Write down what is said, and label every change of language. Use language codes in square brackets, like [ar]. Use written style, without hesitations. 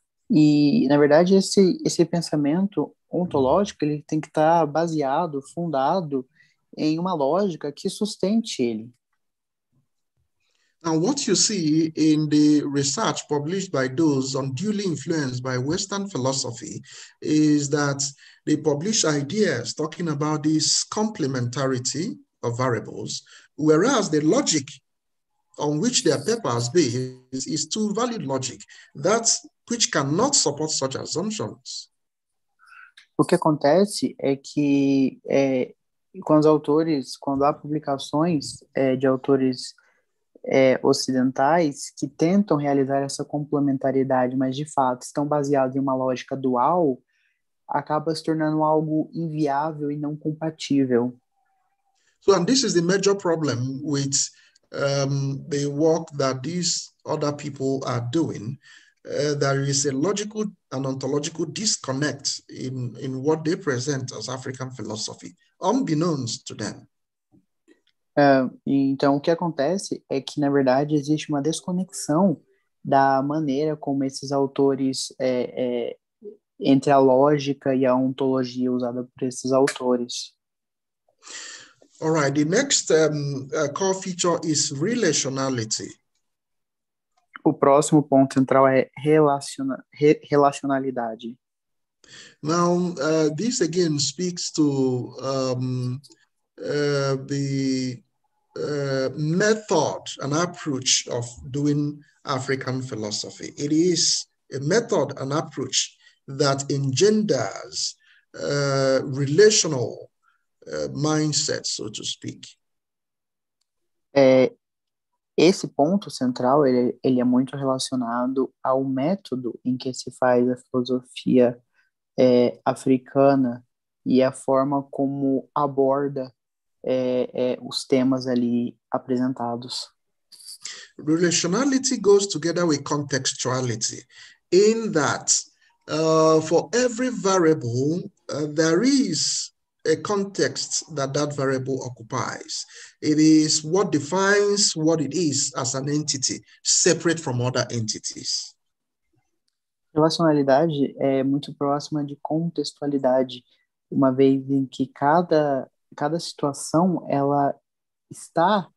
[pt] E, na verdade, esse pensamento ontológico, ele tem que estar baseado, fundado em uma lógica que sustente ele. [en] Now, what you see in the research published by those unduly influenced by Western philosophy is that they publish ideas talking about this complementarity of variables, whereas the logic on which their papers based is too valid logic, that which cannot support such assumptions. [pt] O que acontece é que quando há publicações de autores ocidentais que tentam realizar essa complementariedade, mas de fato estão baseados em uma lógica dual, acaba se tornando algo inviável e não compatível. [en] So, and this is the major problem with the work that these other people are doing. There is a logical and ontological disconnect in what they present as African philosophy, unbeknownst to them. [pt] Então, o que acontece é que, na verdade, existe uma desconexão da maneira como esses autores, entre a lógica e a ontologia usada por esses autores. [en] All right, the next core feature is relationality. [pt] O próximo ponto central é relacionalidade. [en] Now, this again speaks to the method and approach of doing African philosophy. It is a method and approach that engenders relational mindset, so to speak. [pt] Esse ponto central, ele é muito relacionado ao método em que se faz a filosofia africana e a forma como aborda os temas ali apresentados. [en] Relationality goes together with contextuality, in that for every variable, there is a context that variable occupies. It is what defines what it is as an entity, separate from other entities. [pt] Relacionalidade é muito próxima de contextualidade, uma vez em que cada situação, ela está